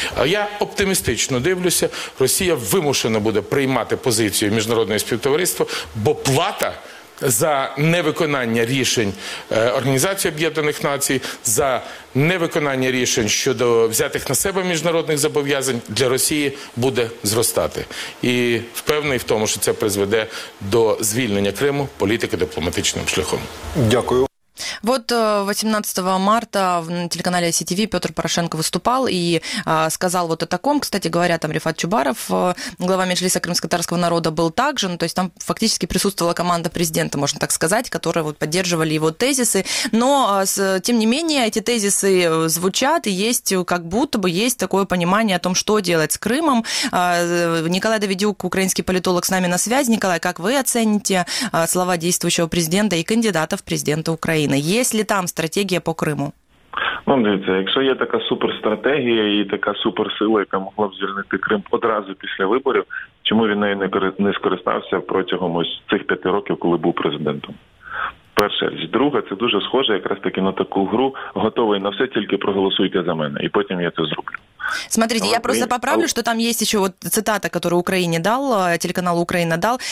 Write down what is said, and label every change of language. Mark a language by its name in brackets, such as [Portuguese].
[Ukrainian] А я оптимістично дивлюся, Росія вимушена буде приймати позицію міжнародного співтовариства, бо плата за невиконання рішень Організації Об'єднаних Націй, за невиконання рішень щодо взятих на себе міжнародних зобов'язань для Росії буде зростати. І впевнений в тому, що це призведе до звільнення Криму політико-дипломатичним шляхом. Дякую. [Russian] Вот 18 марта на телеканале ICTV Петр Порошенко выступал и сказал вот о таком. Кстати говоря, там Рифат Чубаров, глава Меджлиса крымско-татарского народа, был также. Ну, то есть там фактически присутствовала команда президента, можно так сказать, которая вот поддерживали его тезисы. Но, тем не менее, эти тезисы звучат, и есть как будто бы есть такое понимание о том, что делать с Крымом. Николай Давидюк, украинский политолог, с нами на связи. Николай, как вы оцените слова действующего президента и кандидата в президенты Украины? Есть ли там [Ukrainian] стратегія по Криму? Ну, дивіться, якщо є така суперстратегія і така суперсила, яка могла б звільнити Крим одразу після виборів, чому він нею не скористався протягом ось цих 5 років, коли був президентом? Перша річ. Друга, це дуже схоже якраз таки на таку гру «Готовий на все, тільки проголосуйте за мене, і потім я це зроблю». [Russian] Смотрите, я просто поправлю, что там есть еще вот цитата, которую Украине дал, телеканал «Украина» дал.